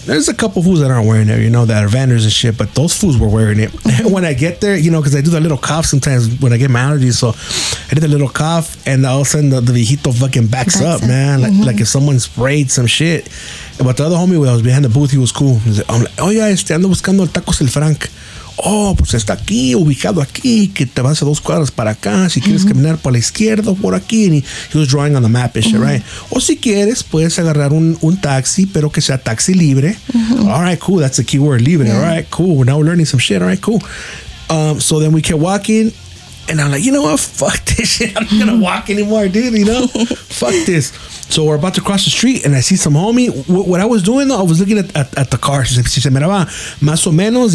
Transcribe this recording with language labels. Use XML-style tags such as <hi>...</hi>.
<en>There's a couple fools that aren't wearing it, you know, that are vendors and shit. But those fools were wearing it. And when I get there, you know, because I do that little cough sometimes when I get my allergies. So I did a little cough, and all of a sudden the viejito fucking backs up, man. Like if someone sprayed some shit. But the other homie that was behind the booth, he was cool. He's like, I'm like, oh yeah,</en> <es>ando buscando el tacos El Frank. Oh, pues está aquí, ubicado aquí, que te vas a dos cuadras para acá, si quieres caminar por la izquierda, por aquí.</es> <en>And he was drawing on the map and shit, right?</en> <es>O si quieres, puedes agarrar un taxi, pero que sea taxi libre.</es> <en>All right, cool. That's the key word, libre. Yeah. All right, cool. Now we're learning some shit. All right, cool. So then we kept walking, And I'm like, you know what? Fuck this shit. I'm not gonna walk anymore, dude. You know, fuck this. So we're about to cross the street, and I see some homie. What I was doing though, I was looking at the car. She said,</en> <es>"Miraba, más o menos."</es>